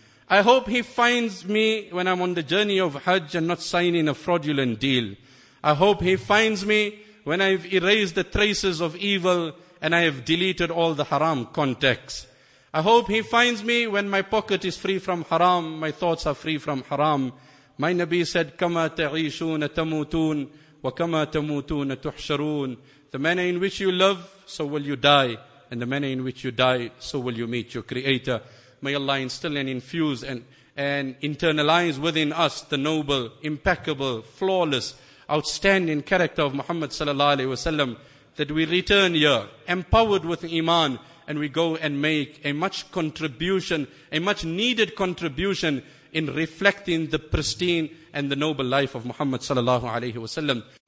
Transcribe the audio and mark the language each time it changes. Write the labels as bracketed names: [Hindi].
[English] I hope he finds me when I'm on the journey of Hajj and not signing a fraudulent deal. I hope he finds me when I've erased the traces of evil and I have deleted all the haram contacts. I hope he finds me when my pocket is free from haram, my thoughts are free from haram. My Nabi said, [Arabic] كَمَا تَعِيشُونَ تَمُوتُونَ وَكَمَا تَمُوتُونَ تُحْشَرُونَ. [English] The manner in which you love, so will you die. And the manner in which you die, so will you meet your Creator. May Allah instill and infuse and internalize within us the noble, impeccable, flawless, outstanding character of Muhammad sallallahu alaihi wasallam, that we return here empowered with iman and we go and make a much contribution, a much needed contribution in reflecting the pristine and the noble life of Muhammad sallallahu alaihi wasallam.